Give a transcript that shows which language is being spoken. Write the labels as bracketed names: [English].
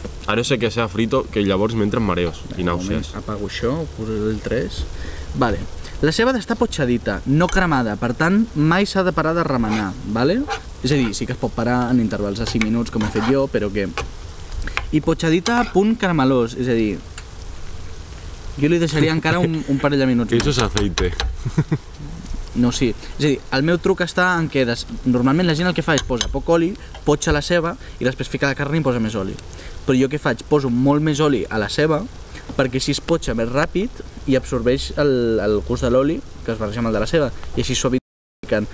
[Spanish] A no ser que sea frito, que [Catalan] llavors m'entren [Spanish] mareos i nàusees. [Catalan] Apago això, poso el 3. Vale. La ceba ha d'estar potxadita, no cremada, per tant, mai s'ha de parar de remenar, vale? És a dir, sí que es pot parar en intervals de 5 minuts, com he fet jo, però que... I potxadita punt caramelós, és a dir... [Spanish] Yo le dejaría encara un par de minutos. Eso es aceite. No, sí. [Catalan] És a dir, el meu truc està en que normalment la gent el que fa és posa poc oli, potxa la ceba i després fica la carn i posa més oli. Però jo què faig? Poso molt més oli a la ceba perquè així es potxa més ràpid i absorbeix el gust de l'oli que es barreja amb el de la ceba i així suavitzant.